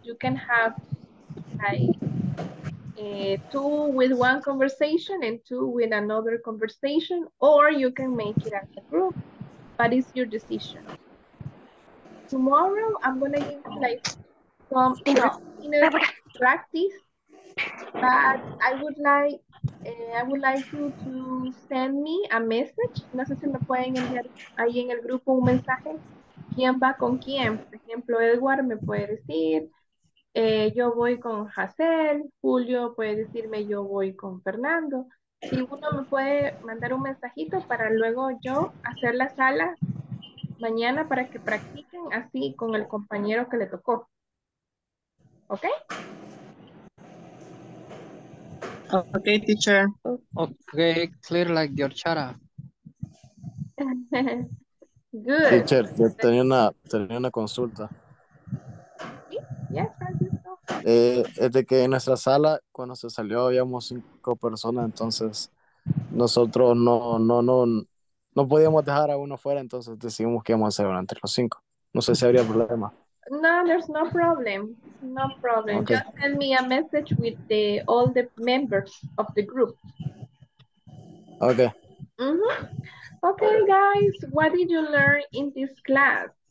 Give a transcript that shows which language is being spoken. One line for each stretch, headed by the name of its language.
English: You can have two with one conversation and two with another conversation, or you can make it as a group, but it's your decision. Tomorrow I'm gonna give you like some practice, but I would like you to send me a message.
Spanish: No sé si me pueden enviar ahí en el grupo un mensaje. ¿Quién va con quién? Por ejemplo, Edward me puede decir. Yo voy con Hazel, Julio puede decirme yo voy con Fernando. Si uno me puede mandar un mensajito para luego yo hacer la sala mañana para que practiquen así con el compañero que le tocó.
English: ¿Ok? Ok, teacher. Ok, clear like your chara. Good.
Spanish: Teacher, yo tenía una consulta. Sí, ya está. Es de que en nuestra sala, cuando se salió, habíamos 5 personas, entonces nosotros no podíamos dejar a uno fuera, entonces decidimos que íbamos a hacer entre los 5. No sé si habría problema.
English: No, there's no problem. No problem. Okay. Just send me a message with all the members of the group. Okay. Mm-hmm. Okay, guys, what did you learn in this class?